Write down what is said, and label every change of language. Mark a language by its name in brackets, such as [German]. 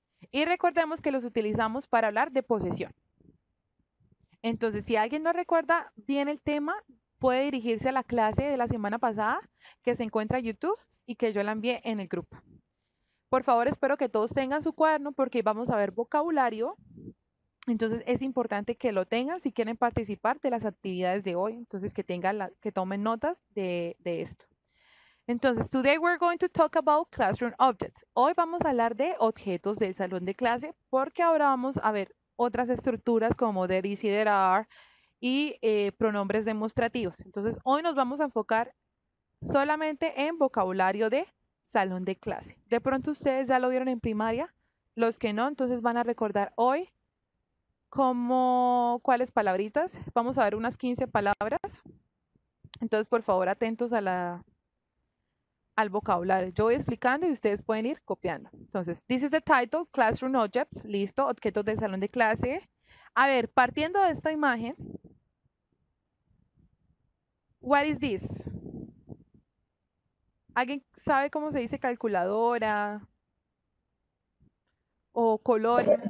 [Spanish] Y recordemos que los utilizamos para hablar de posesión. Entonces, si alguien no recuerda bien el tema, puede dirigirse a la clase de la semana pasada que se encuentra en YouTube y que yo la envié en el grupo. Por favor, espero que todos tengan su cuaderno porque vamos a ver vocabulario. Entonces, es importante que lo tengan si quieren participar de las actividades de hoy. Entonces, que tengan que tomen notas de esto. [English] Entonces, today we're going to talk about classroom objects. [Spanish] Hoy vamos a hablar de objetos del salón de clase porque ahora vamos a ver otras estructuras como there is y there are y pronombres demostrativos. Entonces, hoy nos vamos a enfocar solamente en vocabulario de salón de clase. De pronto, ustedes ya lo vieron en primaria. Los que no, entonces van a recordar hoy como cuáles palabritas. Vamos a ver unas 15 palabras. Entonces, por favor, atentos a al vocabulario. Yo voy explicando y ustedes pueden ir copiando. [English] Entonces, this is the title, Classroom Objects. [Spanish] Listo, objetos del salón de clase. A ver, partiendo de esta imagen, [English] what is this? [Spanish] ¿Alguien sabe cómo se dice calculadora? ¿O colores?